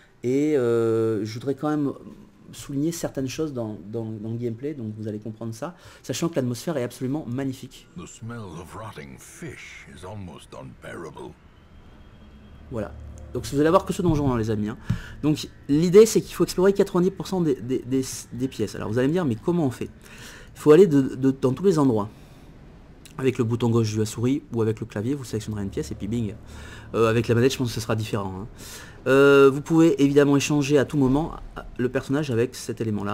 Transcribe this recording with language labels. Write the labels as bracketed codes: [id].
[fr] Et je voudrais quand même souligner certaines choses dans le gameplay, donc vous allez comprendre ça, sachant que l'atmosphère est absolument magnifique. [en] The smell of rotting fish is almost unbearable. [fr] Voilà. Donc vous allez avoir que ce donjon, hein, les amis. Hein. Donc l'idée, c'est qu'il faut explorer 90% des pièces. Alors vous allez me dire, mais comment on fait? Il faut aller dans tous les endroits. Avec le bouton gauche de la souris ou avec le clavier, vous sélectionnerez une pièce et puis bing. Avec la manette, je pense que ce sera différent. Hein. Vous pouvez évidemment échanger à tout moment le personnage avec cet élément-là.